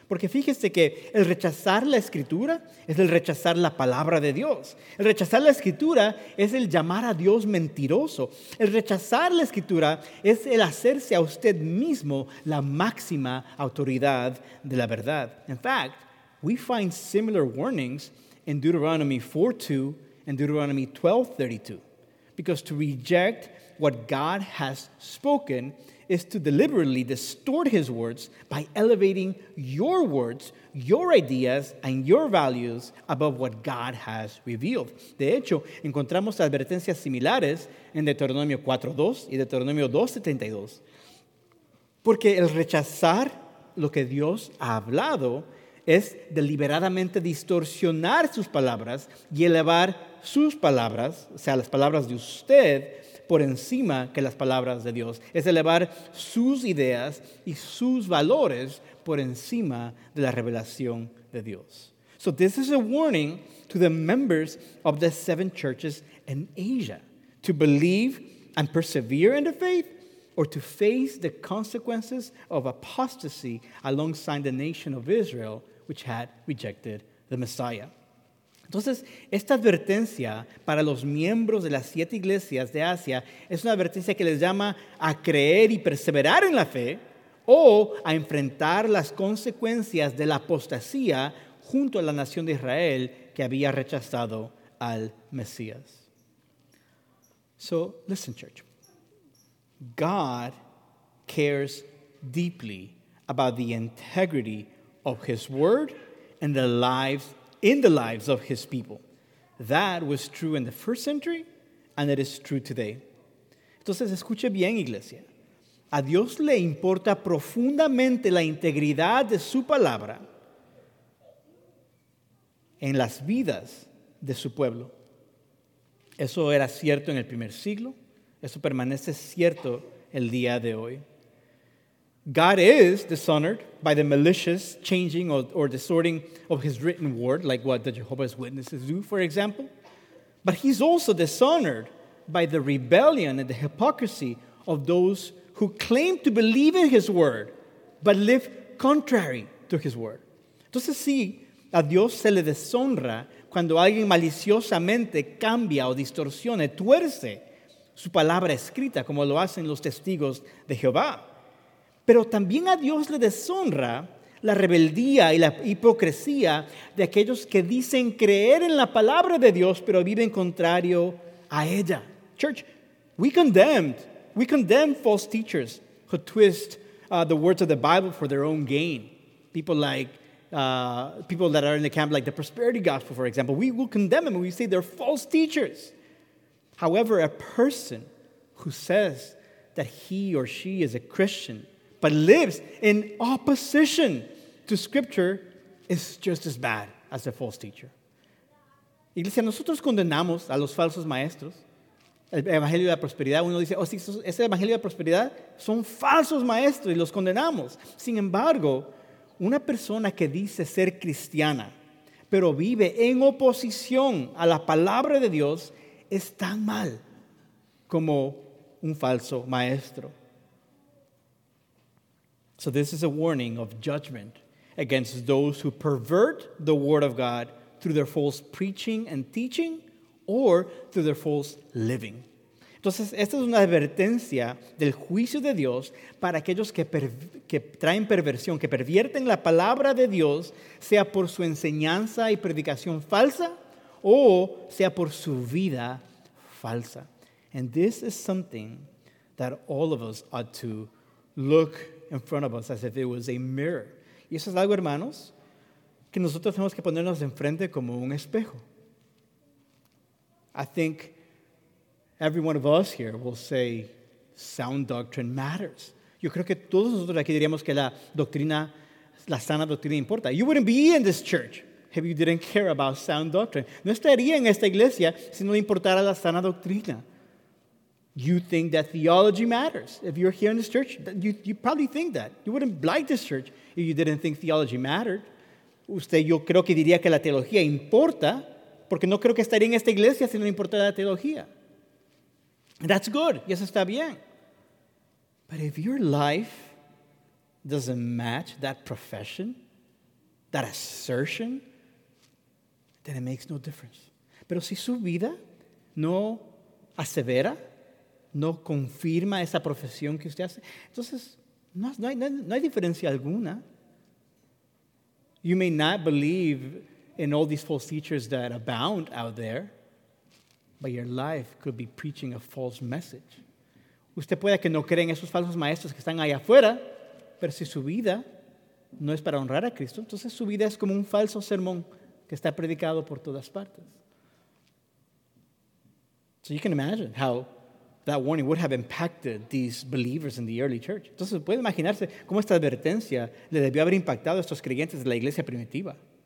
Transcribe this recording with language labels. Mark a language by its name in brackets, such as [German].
[Spanish] Porque fíjese que el rechazar la Escritura es el rechazar la palabra de Dios. El rechazar la Escritura es el llamar a Dios mentiroso. El rechazar la Escritura es el hacerse a usted mismo la máxima autoridad de la verdad. [English] In fact, we find similar warnings in Deuteronomy 4:2 and Deuteronomy 12:32. Because to reject what God has spoken is to deliberately distort his words by elevating your words, your ideas, and your values above what God has revealed. [Spanish] De hecho, encontramos advertencias similares en Deuteronomio 4:2 y Deuteronomio 12:32. Porque el rechazar lo que Dios ha hablado es deliberadamente distorsionar sus palabras y elevar sus palabras, o sea, las palabras de usted, por encima que las palabras de Dios. Es elevar sus ideas y sus valores por encima de la revelación de Dios. [English] So this is a warning to the members of the seven churches in Asia to believe and persevere in the faith or to face the consequences of apostasy alongside the nation of Israel, which had rejected the Messiah. [Spanish] Entonces, esta advertencia para los miembros de las siete iglesias de Asia es una advertencia que les llama a creer y perseverar en la fe o a enfrentar las consecuencias de la apostasía junto a la nación de Israel que había rechazado al Mesías. [English] So, listen, church. God cares deeply about the integrity of His word and the lives in the lives of His people. That was true in the first century, and it is true today. [Spanish] Entonces, escuche bien, iglesia. A Dios le importa profundamente la integridad de su palabra en las vidas de su pueblo. Eso era cierto en el primer siglo. Eso permanece cierto el día de hoy. [English] God is dishonored by the malicious changing or distorting of His written word, like what the Jehovah's Witnesses do, for example. But He's also dishonored by the rebellion and the hypocrisy of those who claim to believe in His word, but live contrary to His word. [Spanish] Entonces, sí, a Dios se le deshonra cuando alguien maliciosamente cambia o distorsiona, tuerce su palabra escrita, como lo hacen los testigos de Jehová. Pero también a Dios le deshonra la rebeldía y la hipocresía de aquellos que dicen creer en la palabra de Dios, pero viven contrario a ella. [English] Church, we condemn false teachers who twist the words of the Bible for their own gain. People that are in the camp like the prosperity gospel, for example. We will condemn them and we say they're false teachers. However, a person who says that he or she is a Christian but lives in opposition to Scripture is just as bad as a false teacher. [Spanish] Iglesia, nosotros condenamos a los falsos maestros. El Evangelio de la Prosperidad, uno dice, oh, sí, ese Evangelio de la Prosperidad son falsos maestros y los condenamos. Sin embargo, una persona que dice ser cristiana, pero vive en oposición a la palabra de Dios, es tan mal como un falso maestro. [English] So this is a warning of judgment against those who pervert the word of God through their false preaching and teaching or through their false living. [Spanish] Entonces, esta es una advertencia del juicio de Dios para aquellos que traen perversión, que pervierten la palabra de Dios, sea por su enseñanza y predicación falsa o sea por su vida falsa. [English] And this is something that all of us ought to look in front of us as if it was a mirror. [Spanish] Y eso es algo, hermanos, que nosotros tenemos que ponernos enfrente como un espejo. [English] I think every one of us here will say sound doctrine matters. [Spanish] Yo creo que todos nosotros aquí diríamos que la sana doctrina importa. [English] You wouldn't be in this church if you didn't care about sound doctrine. [Spanish] No estaría en esta iglesia si no le importara la sana doctrina. [English] You think that theology matters. If you're here in this church, you probably think that. You wouldn't like this church if you didn't think theology mattered. [Spanish] Usted, yo creo que diría que la teología importa, porque no creo que estaría en esta iglesia si no le importara la teología. [English] That's good. [Spanish] Y eso está bien. [English] But if your life doesn't match that profession, that assertion, then it makes no difference. [Spanish] Pero si su vida no asevera, no confirma esa profesión que usted hace, entonces no hay diferencia alguna. [English] You may not believe in all these false teachers that abound out there, but your life could be preaching a false message. [Spanish] Usted puede que no cree en esos falsos maestros que están allá afuera, pero si su vida no es para honrar a Cristo, entonces su vida es como un falso sermón que está predicado por todas partes. [English] So you can imagine how that warning would have impacted these believers in the early church. [Spanish] Entonces, puede imaginarse cómo esta advertencia le debió haber impactado a estos creyentes de la iglesia primitiva.